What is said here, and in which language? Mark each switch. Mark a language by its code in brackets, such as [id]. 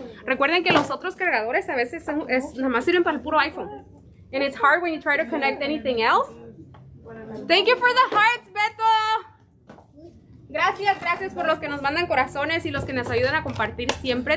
[es] Recuerden que los otros cargadores a veces son, es, nada más sirven para el puro iPhone. [en] And it's hard when you try to connect anything else. Thank you for the hearts, Beto. [es] Gracias, gracias por los que nos mandan corazones y los que nos ayudan a compartir siempre.